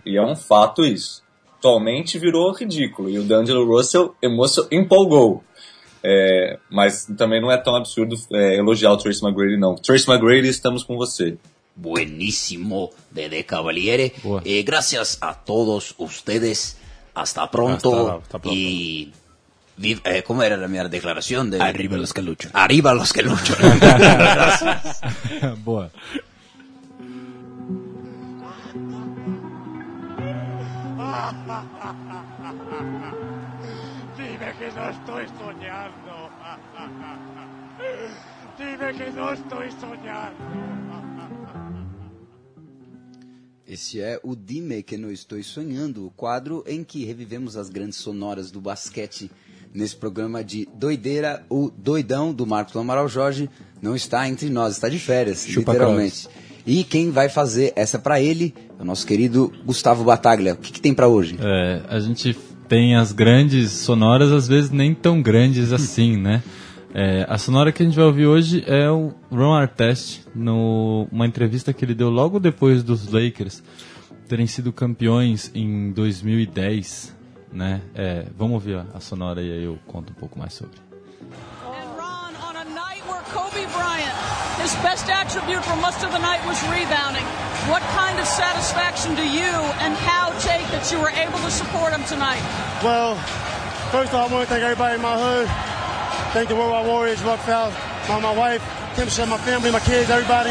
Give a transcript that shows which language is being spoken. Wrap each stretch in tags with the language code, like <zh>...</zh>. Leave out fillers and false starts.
<pt>E é um fato isso. Atualmente virou ridículo e o D'Angelo Russell empolgou. É, mas também não é tão absurdo elogiar o Trace McGrady, não. Trace McGrady, estamos com você.</pt> <es>Buenísimo, Dede Cavaliere.</es> <pt>E graças a todos</pt> <es>ustedes. Hasta pronto. Hasta pronto. ¿Cómo era la mi declaración? De... Arriba los que luchan. Arriba los que luchan. Gracias.</es> <pt>Boa.</pt> <es>Dime que no estoy soñando. Dime que no estoy soñando.</es> <pt>Esse é o</pt> <es>Dime que no estoy soñando,</es> <pt>o quadro em que revivemos as grandes sonoras do basquete. Nesse programa de doideira, o doidão do Marcos Amaral Jorge não está entre nós, está de férias, chupa literalmente. Cross. E quem vai fazer essa para ele é o nosso querido Gustavo Battaglia. O que, que tem para hoje? É, a gente tem as grandes sonoras, às vezes nem tão grandes assim, né? É, a sonora que a gente vai ouvir hoje é o Ron Artest, numa entrevista que ele deu logo depois dos Lakers terem sido campeões em 2010, né? É, vamos ouvir a sonora e aí eu conto um pouco mais sobre.</pt> <en>And Ron, on a night where Kobe Bryant, his best attribute for most of the night was rebounding, what kind of satisfaction do you and Hal take that you were able to support him tonight? Well, first of all, I want to thank everybody in my hood. Thank the Worldwide Warriors, Rock Fowl, my wife, Tim Shep, my family, my kids, everybody.</en>